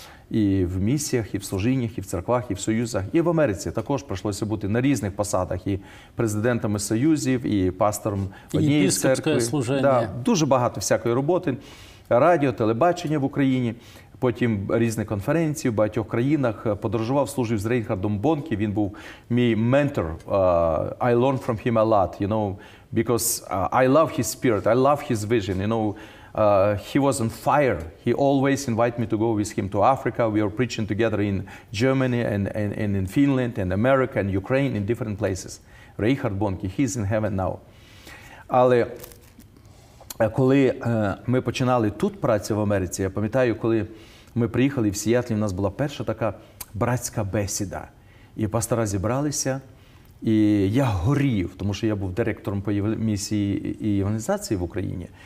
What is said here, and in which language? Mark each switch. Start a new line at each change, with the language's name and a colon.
Ukrainian: І в місіях, і в служіннях, і в церквах, і в союзах. І в Америці також прийшлося бути на різних посадах. І президентами союзів, і пастором однієї церкви. Єпископське служення. Да, дуже багато всякої роботи. Радіо, телебачення в Україні. Потім різні конференції в багатьох країнах. Подорожував, служив з Рейнхардом Бонкі. Він був мій ментор.
English: I learned from him a lot, you know, because I love his spirit, I love his vision, you know. He was on fire. He always invited me to go with him to Africa. We were preaching together in Germany and in Finland and America and Ukraine in different places. Рейхард Бонкі, he's in heaven now.
Ukrainian: Але коли ми починали тут працю в Америці, я пам'ятаю, коли ми приїхали в Сіетлі, у нас була перша така братська бесіда. І пастора зібралися, і я горів, тому що я був директором по місії і евангелізації в Україні.